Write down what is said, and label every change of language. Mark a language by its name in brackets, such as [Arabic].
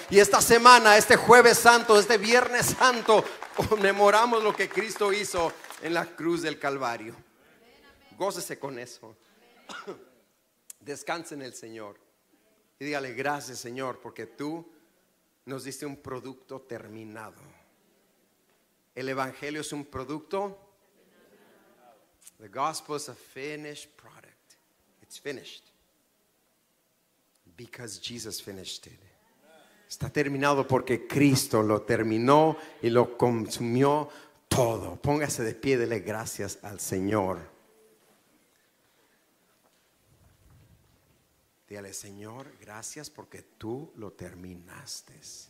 [Spanish] Y esta semana, este Jueves Santo, este Viernes Santo, conmemoramos lo que Cristo hizo en la cruz del Calvario. Gócese con eso. Descanse en el Señor y dígale: gracias, Señor, porque tú nos diste un producto terminado. El evangelio es un producto. [English] The gospel is a finished product. It's finished because Jesus finished it. [Spanish] Está terminado porque Cristo lo terminó y lo consumió todo. Póngase de pie, dele gracias al Señor. Dígale: Señor, gracias porque tú lo terminaste.